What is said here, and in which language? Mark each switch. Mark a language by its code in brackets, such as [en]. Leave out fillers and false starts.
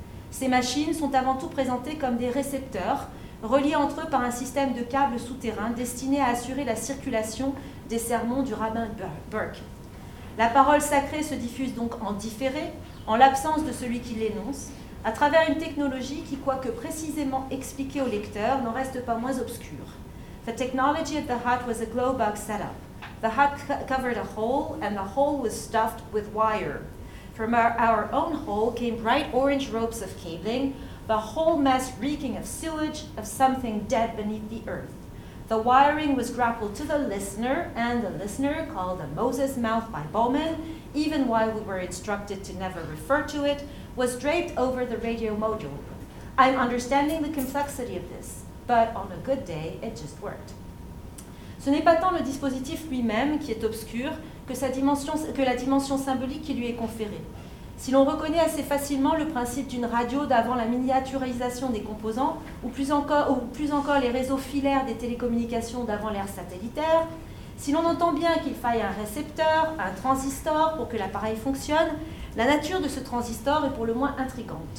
[fr] Ces machines sont avant tout présentées comme des récepteurs, reliés entre eux par un système de câbles souterrains destinés à assurer la circulation des sermons du rabbin Burke. La parole sacrée se diffuse donc en différé, en l'absence de celui qui l'énonce, à travers une technologie qui, quoique précisément expliquée au lecteur, n'en reste pas moins obscure. [en] The technology at the hut was a glow box setup. The hut covered a hole, and the hole was stuffed with wire. From our own hole came bright orange ropes of cabling, the whole mess reeking of sewage, of something dead beneath the earth. The wiring was grappled to the listener, and the listener, called a Moses mouth by Bowman, even while we were instructed to never refer to it, was draped over the radio module. I'm understanding the complexity of this, but on a good day, it just worked. [fr] Ce n'est pas tant le dispositif lui-même qui est obscur que, la dimension symbolique qui lui est conférée. Si l'on reconnaît assez facilement le principe d'une radio d'avant la miniaturisation des composants, ou plus encore les réseaux filaires des télécommunications d'avant l'ère satellitaire, si l'on entend bien qu'il faille un récepteur, un transistor pour que l'appareil fonctionne, la nature de ce transistor est pour le moins intrigante.